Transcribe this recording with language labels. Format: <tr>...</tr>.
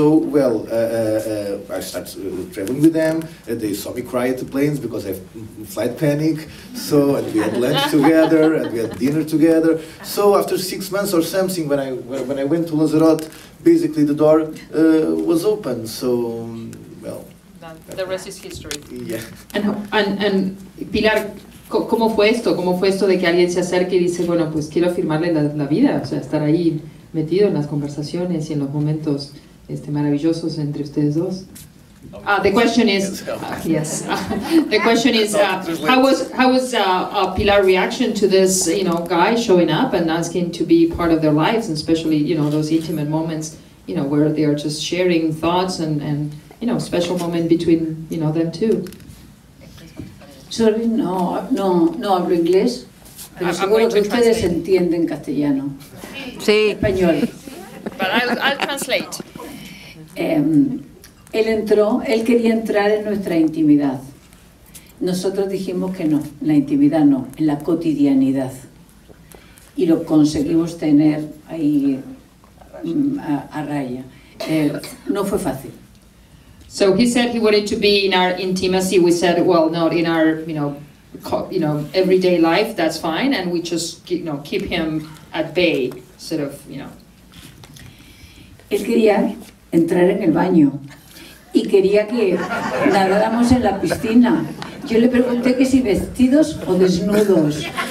<en>I started traveling with them, and they saw me cry at the planes because I have flight panic, so, and we had lunch together, and we had dinner together. So after 6 months or something, when I went to Lanzarote, basically the door was open, so, well. The rest is history. Yeah.</en> <es>And Pilar, ¿cómo fue esto? ¿Cómo fue esto de que alguien se acerque y dice, bueno, pues quiero firmarle la vida, o sea, estar ahí metido en las conversaciones y en los momentos maravillosos entre ustedes dos?</es> <en>How was Pilar's reaction to this, you know, guy showing up and asking to be part of their lives, and especially, you know, those intimate moments, you know, where they are just sharing thoughts and you know, special moment between, you know, them two? Sorry,</en> <es>no hablo inglés, pero</es> <en>I'm</en> <es>seguro que</es> <en>translate.</en> <es>Ustedes entienden castellano. Sí, español.</es> <en>But I'll translate.</en> <es>Él quería entrar en nuestra intimidad. Nosotros dijimos que no, en la intimidad no, en la cotidianidad. Y lo conseguimos tener ahí a raya. No fue fácil.</es> <en>So he said he wanted to be in our intimacy. We said, well, not in our, you know, everyday life. That's fine, and we just, you know, keep him at bay, sort of, you know.</en> <es>Él quería entrar en el baño y quería que nadáramos en la piscina. Yo le pregunté que si vestidos o desnudos.</es>